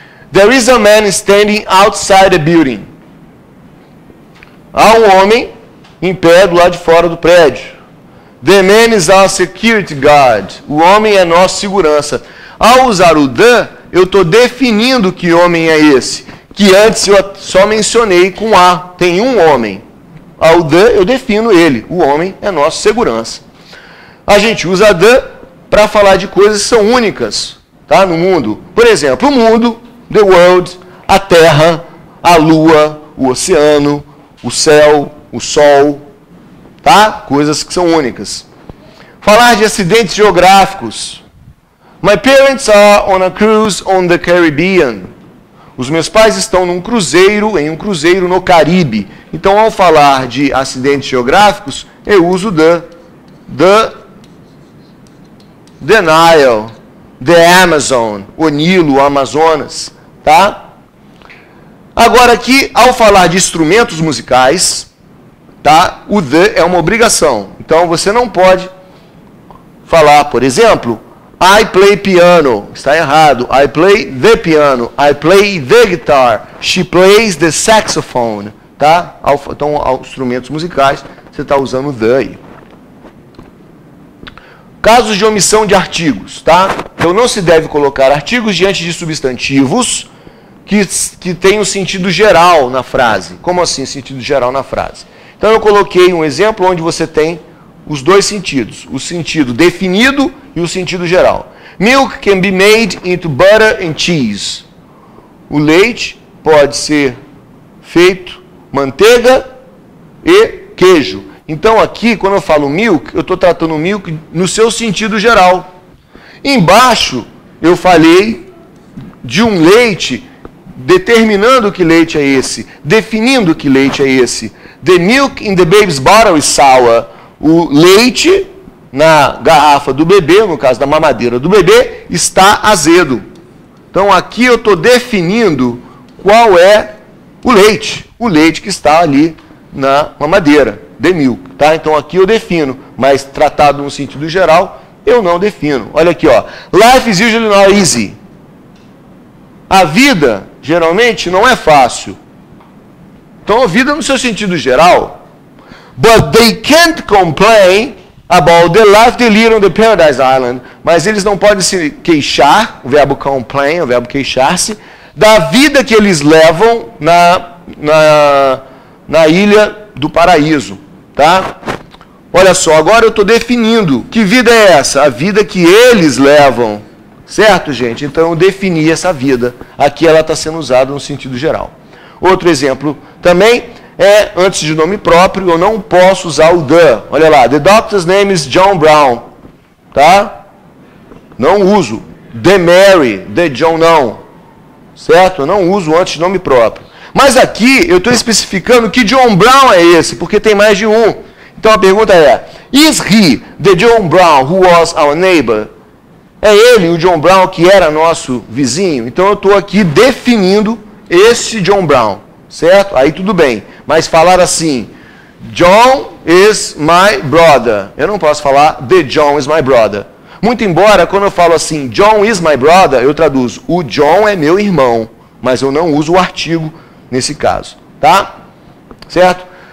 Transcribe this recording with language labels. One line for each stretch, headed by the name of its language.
English: There is a man standing outside the building.
Portuguese: Há um homem em pé do lado de fora do prédio.
English: The man is our security guard.
Portuguese: O homem é nossa segurança. Ao usar o the, eu estou definindo que homem é esse, que antes eu só mencionei com a. Tem um homem. Ao the, eu defino ele. O homem é nossa segurança. A gente usa the para falar de coisas que são únicas, tá, no mundo. Por exemplo, o mundo, the world, a terra, a lua, o oceano, o céu, o sol, tá? Coisas que são únicas. Falar de acidentes geográficos.
English: My parents are on a cruise on the Caribbean.
Portuguese: Os meus pais estão em um cruzeiro no Caribe. Então, ao falar de acidentes geográficos, eu uso the
English: The Nile, the Amazon,
Portuguese: o Nilo, Amazonas, tá? Agora aqui, ao falar de instrumentos musicais, tá? O the é uma obrigação. Então, você não pode falar, por exemplo,
English: I play piano.
Portuguese: Está errado.
English: I play the piano. I play the guitar. She plays the saxophone,
Portuguese: tá? Então, instrumentos musicais, você está usando the aí. Casos de omissão de artigos, tá? Então, não se deve colocar artigos diante de substantivos que tenham sentido geral na frase. Como assim, sentido geral na frase? Então, eu coloquei um exemplo onde você tem os dois sentidos. O sentido definido e o sentido geral.
English: Milk can be made into butter and cheese.
Portuguese: O leite pode ser feito manteiga e queijo. Então, aqui, quando eu falo milk, eu estou tratando milk no seu sentido geral. Embaixo, eu falei de um leite, determinando que leite é esse, definindo que leite é esse.
English: The milk in the baby's bottle is sour.
Portuguese: O leite na garrafa do bebê, no caso da mamadeira do bebê, está azedo. Então, aqui eu estou definindo qual é o leite que está ali na mamadeira. The milk, tá? Então, aqui eu defino, mas tratado no sentido geral, eu não defino. Olha aqui, ó.
English: Life is usually not easy.
Portuguese: A vida, geralmente, não é fácil. Então, a vida no seu sentido geral.
English: But they can't complain about the life they lead on the Paradise Island.
Portuguese: Mas eles não podem se queixar, o verbo complain, o verbo queixar-se, da vida que eles levam na ilha do paraíso. Tá? Olha só, agora eu estou definindo. Que vida é essa? A vida que eles levam. Certo, gente? Então, eu defini essa vida. Aqui ela está sendo usada no sentido geral. Outro exemplo também. é antes de nome próprio, eu não posso usar o the. Olha lá,
English: the doctor's name is John Brown.
Portuguese: Tá? Não uso.
English: The Mary, the John,
Portuguese: não. Certo? Eu não uso antes de nome próprio. Mas aqui eu estou especificando que John Brown é esse, porque tem mais de um. Então a pergunta é,
English: is he the John Brown who was our neighbor?
Portuguese: É ele, o John Brown, que era nosso vizinho? Então eu estou aqui definindo esse John Brown, certo? Aí tudo bem. Mas falar assim,
English: John is my brother.
Portuguese: Eu não posso falar
English: the John is my brother.
Portuguese: Muito embora, quando eu falo assim,
English: John is my brother,
Portuguese: eu traduzo, o John é meu irmão, mas eu não uso o artigo nesse caso, tá? Certo?